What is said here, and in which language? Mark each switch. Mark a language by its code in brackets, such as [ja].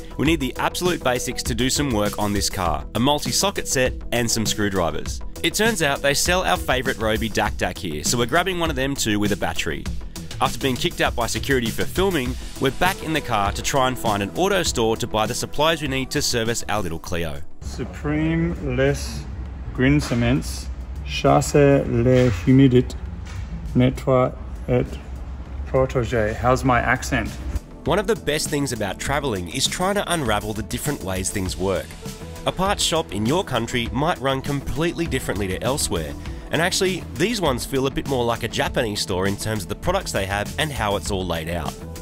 [en] We need the absolute basics to do some work on this car, a multi-socket set and some screwdrivers. It turns out they sell our favourite Ryobi dak-dak here, so we're grabbing one of them too with a battery. After being kicked out by security for filming, we're back in the car to try and find an auto store to buy the supplies we need to service our little Clio. [fr] Supreme Les Grincements, Chasse les Humidit, Nettoie et Protégé. [en] How's my accent? One of the best things about travelling is trying to unravel the different ways things work. A parts shop in your country might run completely differently to elsewhere, and actually, these ones feel a bit more like a Japanese store in terms of the products they have and how it's all laid out.